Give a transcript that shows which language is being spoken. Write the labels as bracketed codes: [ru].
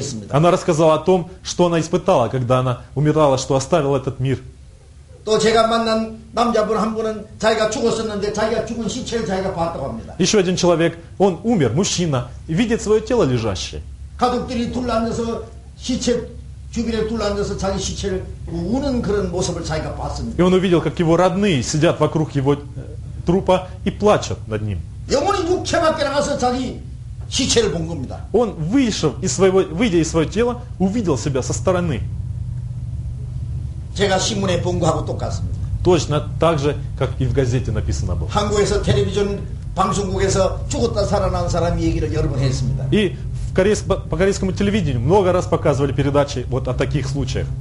[ru] Она рассказала о том, что она испытала, когда она умирала, что оставила этот мир. [ko] 또 제가 만난 남자분 한 분은 자기가 죽었었는데 자기가 죽은 시체를 자기가 봤다고 합니다. [ru] Еще один человек, он умер, мужчина, видит свое тело лежащее. [ko] 가족들이 둘러앉아서 시체 주변에 둘러앉아서 자기 시체를 우는 그런 모습을 자기가 봤습니다. [ru] И он увидел, как его родные сидят вокруг его трупа и плачут над ним. [ko] 영혼이 육체 밖에 나가서 자기 시체를 본 겁니다. [ru] Он вышел из своего, выйдя из своего тела, увидел себя со стороны. [ko] 제가 신문에 본 거하고 똑같습니다. [ru] Точно так же, как и в газете написано было. [ko] 한국에서 텔레비전 방송국에서 죽었다 살아난 사람 얘기를 여러 번 했습니다. [ru] И в по корейскому телевидению много раз показывали передачи вот о таких случаях.